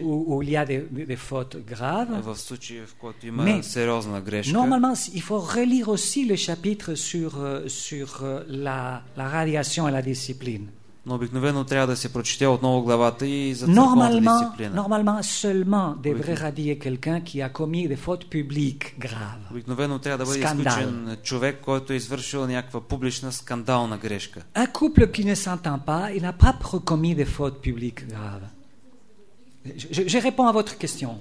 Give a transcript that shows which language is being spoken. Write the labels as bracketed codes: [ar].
[fr] cas où il y a des fautes graves. [bg] В случаи, в който има сериозна грешка. [fr] Normalement, il faut relire aussi le chapitre sur la radiation et la discipline. [bg] Но обикновено трябва да се прочете отново главата и за нормалната дисциплина. [fr] Normalement seulement devrait radier quelqu'un qui a commis des fautes publiques graves. [bg] Обикновено трябва да бъде изключен човек, който е извършил някаква публична скандална грешка. [fr] Un couple qui ne s'entend pas, il n'a pas commis des fautes publiques graves. Je réponds à votre question.